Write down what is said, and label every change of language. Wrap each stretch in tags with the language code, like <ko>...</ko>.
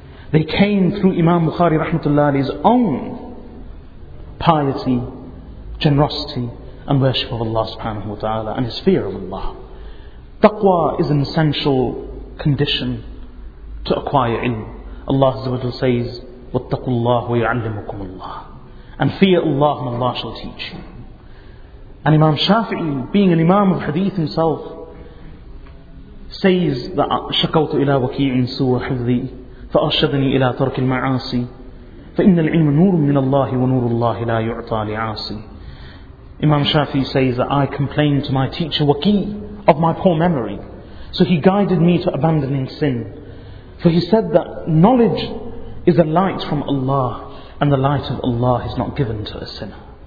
<en>They came through Imam Bukhari rahmatullahi's own piety, generosity, and worship of Allah subhanahu wa ta'ala and his fear of Allah. Taqwa is an essential condition to acquire ilm. Allah says,</en> <ar>وَاتَّقُوا اللَّهُ وَيُعَلِّمُكُمُ اللَّهُ,</ar> <en>and fear Allah and Allah shall teach you. And Imam Shafi'i, being an Imam of Hadith himself, says that</en> <ar>شَكَوْتُ إِلَىٰ وَكِيعٍ سُوَ حِذِّي فَأَرْشَدَنِي إِلَىٰ تَرْكِ الْمَعَاصِي فَإِنَّ الْعِلْمَ نُورٌ مِّنَ اللَّهِ وَنُورُ اللَّهِ لَا يُعْطَى لِعَاصِي.</ar> <en>Imam Shafi'i says that I complained to my teacher Waqi of my poor memory, so he guided me to abandoning sin. For he said that knowledge is a light from Allah, and the light of Allah is not given to a sinner.</en>